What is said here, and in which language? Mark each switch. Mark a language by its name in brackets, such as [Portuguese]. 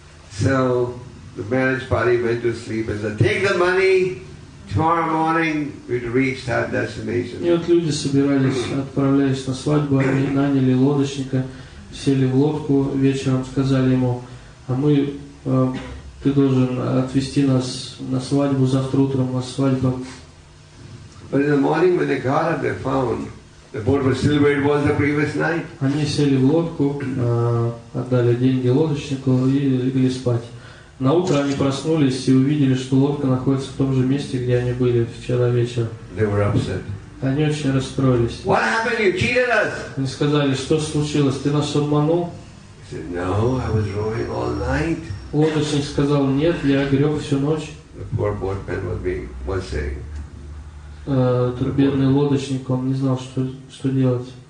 [English] So the marriage party went to sleep and said, take the money, tomorrow morning we'd reach that destination. [Russian] И вот люди собирались, отправлялись на свадьбу, они наняли лодочника, сели в лодку, вечером сказали ему, ты должен отвезти нас на свадьбу, завтра утром на свадьбу. [English] But in the morning when they got up, they found the boat was still where it was the previous night. [Russian] Они сели в лодку, отдали деньги лодочнику и легли спать. На утро они проснулись и увидели, что лодка находится в том же месте, где они были вчера вечером. Они очень расстроились. [English] What happened? You cheated us. [Russian] Они сказали, что случилось? Ты нас обманул? [English] He said, no, I was rowing all night. [Russian] Лодочник сказал, нет, я грёб всю ночь. [English] The poor boatman was saying. [Russian] Этот бедный лодочник, он не знал, что делать.